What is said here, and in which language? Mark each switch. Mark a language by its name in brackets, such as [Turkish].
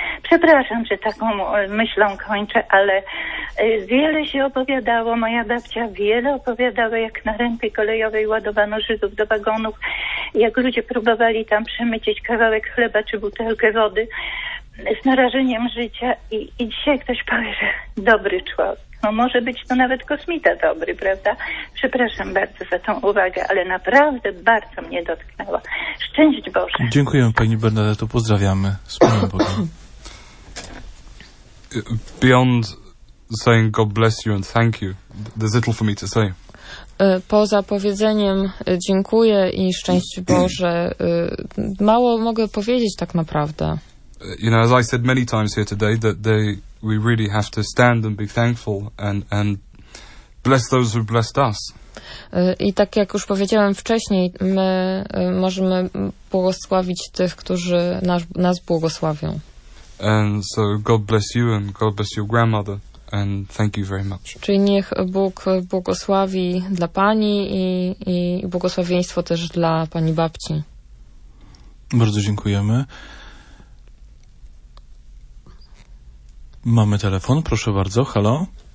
[Polish] Przepraszam, że taką myślą kończę, ale wiele się opowiadało, moja babcia wiele opowiadała, jak na rampie kolejowej ładowano Żydów do wagonów, jak ludzie próbowali tam przemycić kawałek chleba czy butelkę wody z narażeniem życia i dzisiaj ktoś powie, że dobry człowiek. No może być to nawet kosmita dobry, prawda? Przepraszam bardzo za tą uwagę, ale naprawdę bardzo mnie dotknęła. Szczęść Boże. Dziękujemy pani Bernadeto, pozdrawiamy. Z Panem Bogiem. [English] Beyond saying God bless you and thank you, there's little for me to say. [Polish] Poza powiedzeniem dziękuję i szczęść Boże, mało mogę powiedzieć tak naprawdę. [English] You know, as I said many times here today, that they, we really have to stand and be thankful and bless those who blessed us. [Polish] I tak jak już powiedziałem wcześniej, my możemy błogosławić tych, którzy nas błogosławią. [English] And so God bless you and God bless your grandmother and thank you very much. [Polish] Czyli niech Bóg błogosławi dla pani i błogosławieństwo też dla pani babci. Bardzo dziękujemy. Mamy telefon, proszę bardzo. Halo?